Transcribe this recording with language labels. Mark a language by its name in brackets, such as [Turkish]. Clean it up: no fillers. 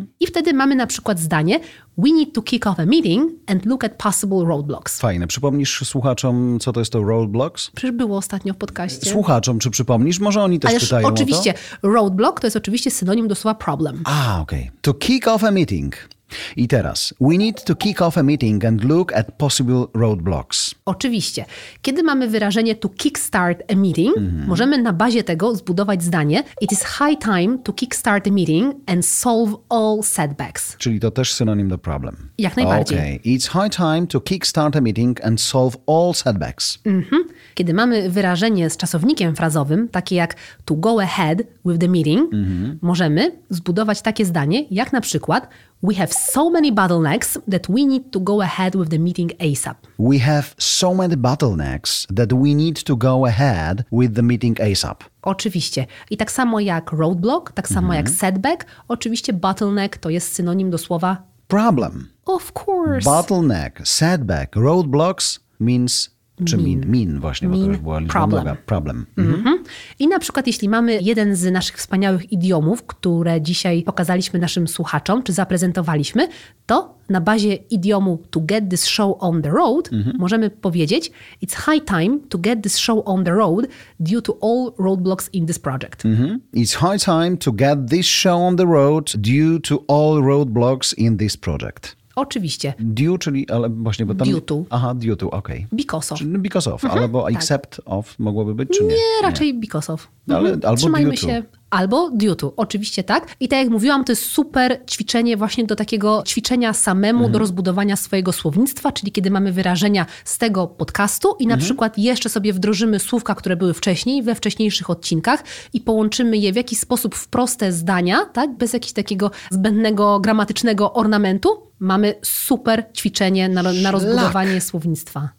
[Polish] I wtedy mamy na przykład zdanie [English] we need to kick off a meeting and look at possible roadblocks. [Polish] Fajne. Przypomnisz słuchaczom, co to jest to roadblocks? Przecież było ostatnio w podcaście. Słuchaczom, czy przypomnisz? Może oni też pytają o to? Oczywiście. Roadblock to jest oczywiście synonim do słowa problem. [English] A, okej. Okay. To kick off a meeting. I teraz, we need to kick off a meeting and look at possible roadblocks. [Polish] Oczywiście. Kiedy mamy wyrażenie to kickstart a meeting, możemy na bazie tego zbudować zdanie [English] it is high time to kickstart a meeting and solve all setbacks. [Polish] Czyli to też synonim do problem. Jak najbardziej. [English] Okay. It's high time to kickstart a meeting and solve all setbacks. Mm-hmm. [Polish] Kiedy mamy wyrażenie z czasownikiem frazowym, takie jak to go ahead with the meeting, możemy zbudować takie zdanie, jak na przykład... [English] We have so many bottlenecks that we need to go ahead with the meeting ASAP. We have so many bottlenecks that we need to go ahead with the meeting ASAP. [Polish] Oczywiście. I tak samo jak roadblock, tak samo jak setback, oczywiście bottleneck to jest synonim do słowa... Problem. [English] Of course. Bottleneck, setback, roadblocks means... [Polish] Czy mean właśnie, mean, bo to już była liczba problem. Mnoga. Problem. Mm-hmm. I na przykład, jeśli mamy jeden z naszych wspaniałych idiomów, które dzisiaj pokazaliśmy naszym słuchaczom, czy zaprezentowaliśmy, to na bazie idiomu [English] to get this show on the road [Polish] możemy powiedzieć [English] it's high time to get this show on the road due to all roadblocks in this project. It's high time to get this show on the road due to all roadblocks in this project. [Polish] Oczywiście. Due, czyli, ale właśnie, bo tam... [English] Due to. [Polish] Aha, due to, okej. [English] Okay. Because of. [Polish] Czyli because of, albo tak. [English] Except of [Polish] mogłoby być, czy nie? Nie, raczej nie. [English] Because of. [Polish] Ale, albo trzymajmy [English] due to. [Polish] Się. Albo due to, oczywiście tak. I tak jak mówiłam, to jest super ćwiczenie właśnie do takiego ćwiczenia samemu, do rozbudowania swojego słownictwa, czyli kiedy mamy wyrażenia z tego podcastu i na przykład jeszcze sobie wdrożymy słówka, które były wcześniej, we wcześniejszych odcinkach i połączymy je w jakiś sposób w proste zdania, tak, bez jakiegoś takiego zbędnego gramatycznego ornamentu, mamy super ćwiczenie na rozbudowanie słownictwa.